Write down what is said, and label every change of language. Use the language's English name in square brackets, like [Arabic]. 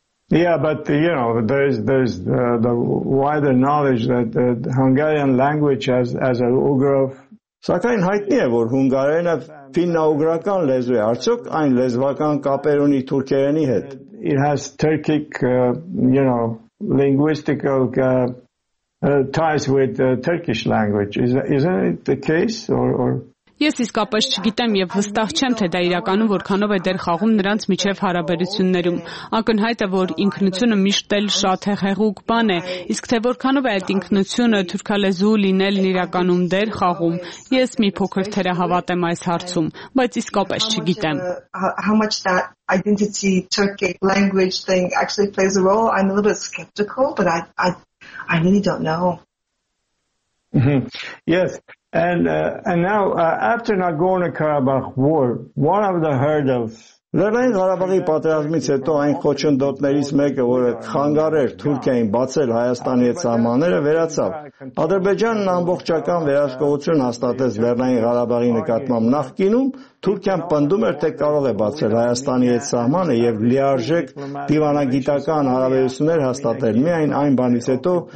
[English] Yeah, but you know, there's the wider knowledge that the Hungarian language as a Ugrov. [Armenian] Սակայն հայտնի է, որ հունգարենը ֆիննա-ուգրական լեզու է, արդյոք այն լեզվական կապեր ունի թուրքերենի հետ։ [English] It has Turkic, you know, linguistical ties with Turkish language. Isn't it the case? [Armenian] Ես իսկապես չգիտեմ եւ վստահ չեմ, թե դա իրականում որքանով է դեր խաղում նրանց միջև հարաբերություններում։ Ակնհայտ է, որ ինքնությունը միշտ էլ շատ հեղուկ բան է, իսկ թե որքանով է այդ ինքնությունը թուրքալեզու լինելն իրականում դեր խաղում, ես մի փոքր թերահավատ եմ այս հարցում, բայց իսկապես չգիտեմ։ [English] Identity Turkic language thing actually plays a role. I'm a little bit skeptical, but I really don't know. Yes, and now after Nagorno-Karabakh war, one of the hurdles. [Armenian] Լեռնային Ղարաբաղի պատերազմից հետո այն խոչընդոտներից մեկը, որը խանգարեր Թուրքիային բացել Հայաստանի հետ սահմանները, վերացավ։ Ադրբեջանն ամբողջական վերահսկողություն հաստատեց Լեռնային Ղարաբաղի նկատմամբ։ Նախկինում Թուրքիան պնդում էր, թե կարող է բացել Հայաստանի հետ սահմանը եւ լիարժեք դիվանագիտական հարաբերություններ հաստատել, միայն այն բանից հետո,